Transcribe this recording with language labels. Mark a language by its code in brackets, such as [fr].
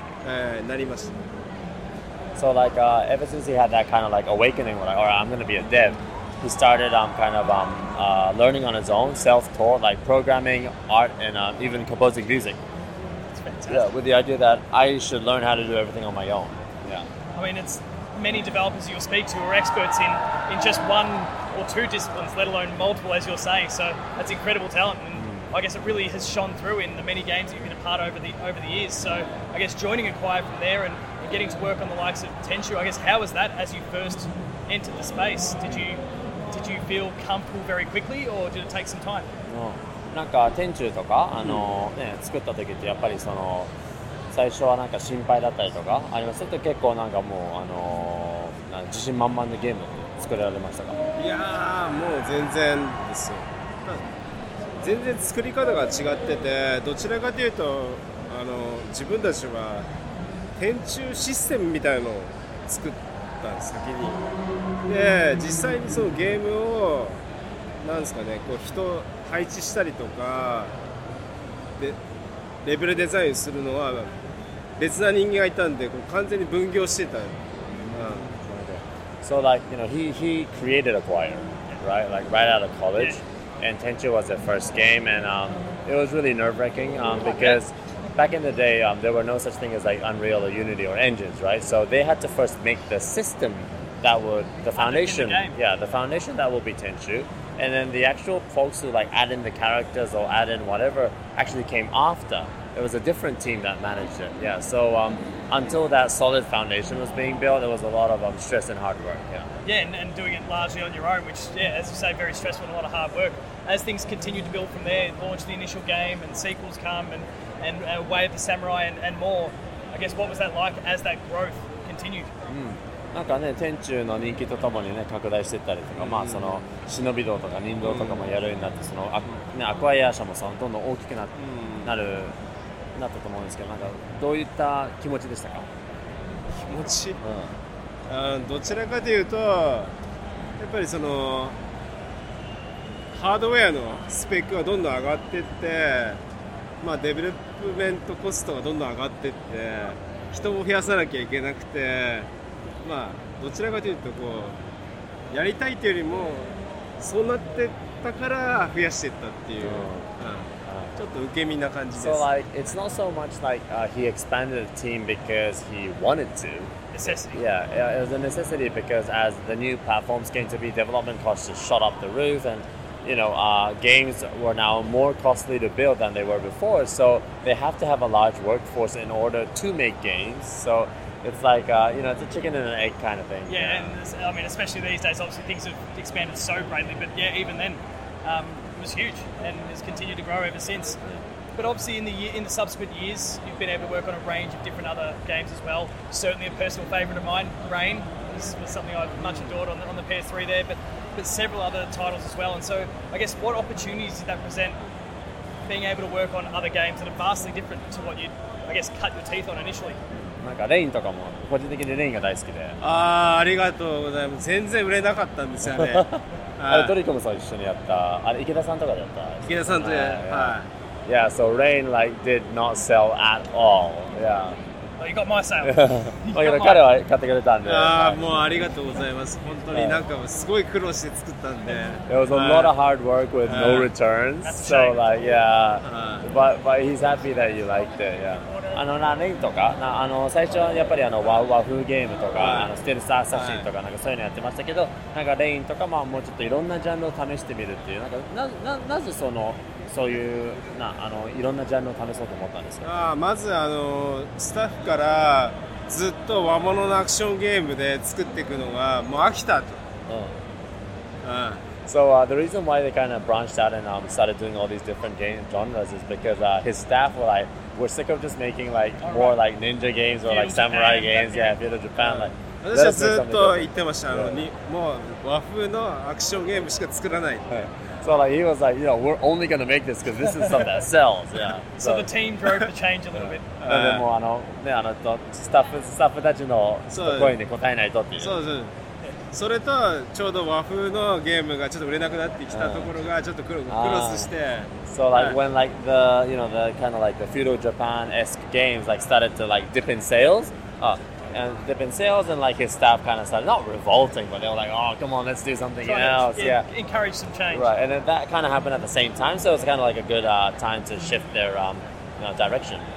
[ja] まあそこら辺、そこから自分で学生の時にプログラミングだったりとかアートだったりとか作曲とかを自分で勉強して何でもできるようになりました。So [en] like ever since he had that kind of like awakening, where like, all right, I'm gonna be a dev, he started learning on his own, self-taught, like programming, art, and even composing music. That's fantastic. Yeah, with the idea that I should learn how to do everything on my own. Yeah. I mean, it's many developers you'll speak to are experts in just one or two disciplines, let alone multiple, as you're saying. So that's incredible talent, and I guess it really has shone through in the many games you've been a part of over the years. So I guess joining a choir from there and getting to work on the likes of Tenchu, I guess how was that as you first entered the space? Did you feel comfortable very quickly, or did it take some time? [ja] No, なんか Tenchu とかあのね作った時ってやっぱりその最初はなんか心配だったりとかありますけど、結構なんかもうあのなんか自信満々でゲーム作れられましたか？いやーもう全然ですよ。全然作り方が違ってて、どちらかというとあの自分たちは天柱システムみたいのを作った先に、で実際にそのゲームをなんですかね、こう人配置したりとかで。レベルデザインするのは別な人間がいたんで、こう完全に分業してた。 [en] So like, you know, he created a choir, right? Like right out of college, and Tenchu was the first game, and it was really nerve-wracking because back in the day, there were no such thing as like Unreal or Unity or engines, right? So they had to first make the system that would the foundation, yeah, the foundation that will be Tenchu. And then the actual folks who like add in the characters or add in whatever actually came after. It was a different team that managed it. Yeah. So until that solid foundation was being built, there was a lot of stress and hard work. Yeah. Yeah, and doing it largely on your own, which yeah, as you say, very stressful and a lot of hard work. As things continued to build from there, launched the initial game and sequels come and Way of the Samurai and more. I guess what was that like as that growth continued? [ja] なんかね、天中の人気とともにね、拡大していったりとか、まあその忍び道とか忍道とかもやるようになって、そのね、アクアイア社もそのどんどん大きくなったと思うんですけど、なんかどういった気持ちでしたか？気持ち？うん。どちらかというと、やっぱりそのハードウェアのスペックがどんどん上がっていって、まあデベロップメントコストがどんどん上がっていって、人も増やさなきゃいけなくて。まあ、どちらかというとこうやりたいというよりもそうなってったから増やしていったっていう、うんうん、ちょっと受け身な感じです。 [en] So like, it's not so much like he expanded the team because he wanted to. Necessity. Yeah, it was a necessity because as the new platforms came to be, development costs just shot up the roof and you know, games were now more costly to build than they were before, so they have to have a large workforce in order to make games. So it's like, you know, it's a chicken and an egg kind of thing. Yeah, and I mean, especially these days, obviously things have expanded so greatly, but yeah, even then, it was huge and has continued to grow ever since. But obviously in the subsequent years, you've been able to work on a range of different other games as well. Certainly a personal favourite of mine, Rain, was something I've much adored on the PS3 there, but several other titles as well. And so I guess what opportunities did that present, being able to work on other games that are vastly different to what you'd, I guess, cut your teeth on initially? [ja] なんかレインとかも個人的にレインが大好きで、ああありがとうございます。全然売れなかったんですよね。あれトリコムさん一緒にやった、あれ池田さんとかでやった。池田さんとや、はい。 [en] Yeah, so Rain like did not sell at all. Yeah. Oh, you got my sale. [ja] だけど彼は買ってくれたんで。ああもうありがとうございます。本当になんかすごい苦労して作ったんで。 [en] It was a lot of hard work with no returns. So like, yeah. But he's happy that you liked it. Yeah. [ja] あのなレインとかなあの最初はやっぱりあの和風ゲームとか、はい、あのステルスアサシンとか、 なんかそういうのやってましたけど、はい、なんかレインとかまあもうちょっといろんなジャンルを試してみるっていうなんか なぜそのそういうなあのいろんなジャンルを試そうと思ったんですか。あまずあのスタッフからずっと和物のアクションゲームで作っていくのがもう飽きたと、うんうん、 [en] So the reason why they kind of branched out and started doing all these different game genres is because his staff were like,we're sick of just making like more like ninja games or like samurai games. Yeah, if you're in Japan, like. I've been saying that. So like he was like, you know, we're only gonna make this because this is stuff that sells. Yeah. So the team drove the change a little bit. And then more, [ja] スタッフたちの声に応えないとっていう。そうそう。それとちょうど和風のゲームがちょっと売れなくなってきたところがちょっとクロスして、 [en] So like when like the you know the kind of like the feudal Japan-esque games like started to like dip in sales, and dip in sales and like his staff kind of started not revolting but they were like oh come on let's do something else yeah encourage some change right and then that kind of happened at the same time so it was kind of like a good time to shift their direction.